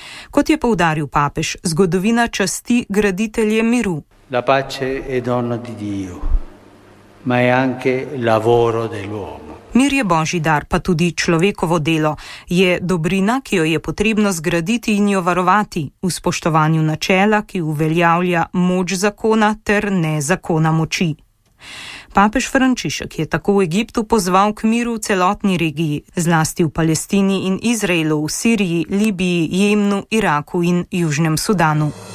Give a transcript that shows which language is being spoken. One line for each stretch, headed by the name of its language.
Slovenian: Kot je poudaril papež, zgodovina časti graditelje miru.
Italian: La pace è dono di Dio, ma è anche lavoro dell'uomo.
Slovenian: Mir je božji dar, pa tudi človekovo delo. Je dobrina, ki jo je potrebno zgraditi in jo varovati, v spoštovanju načela, ki uveljavlja moč zakona ter ne zakona moči. Papež Frančišek je tako v Egiptu pozval k miru v celotni regiji, zlasti v Palestini in Izraelu, v Siriji, Libiji, Jemnu, Iraku in Južnem Sudanu.